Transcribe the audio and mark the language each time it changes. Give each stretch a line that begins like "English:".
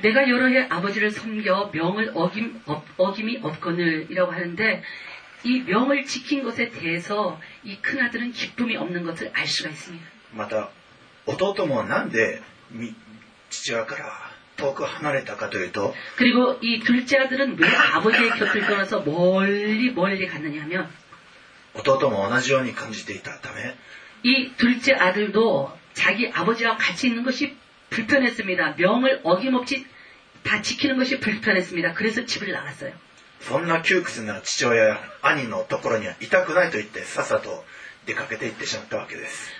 Korean: 내가여러해아버지를섬겨명을어김어김이없거늘이라고하는데이명을지킨것에대해서이큰아들은기쁨이없는것을알수가있습니다
Japanese: また弟もなんで父親から遠く離れたかというと、
Korean: 그리고이둘째아들은왜아버지의곁을떠나서멀리멀리갔느냐하면
Japanese: 弟も同じように感じていたため、
Korean: 이둘째아들도자기아버지와같이있는것이불편했습니다명을어김없이다지키는것이불편했습니다그래서집을나갔어요
Japanese: そんな窮屈な父親や兄のところにはいたくないと言ってさっさと出かけて行ってしまったわけです。